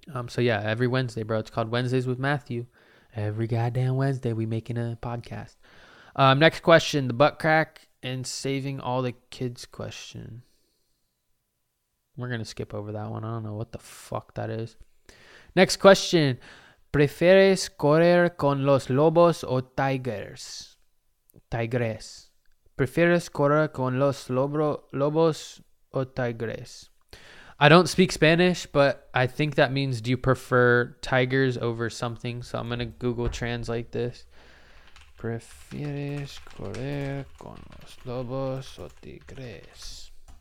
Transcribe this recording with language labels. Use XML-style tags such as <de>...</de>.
<en>So yeah, every Wednesday, bro. It's called Wednesdays with Matthew. Every goddamn Wednesday, we making a podcast. Next question, the butt crack and saving all the kids question. We're going to skip over that one. I don't know what the fuck that is. Next question.</en> <es>¿Prefieres correr con los lobos o tigres? Tigres. ¿Prefieres correr con los lobos o tigres?</es> <en>I don't speak Spanish, but I think that means, do you prefer tigers over something? So I'm going to Google translate this.</en> <es>¿Prefieres correr con los lobos o tigres?</es>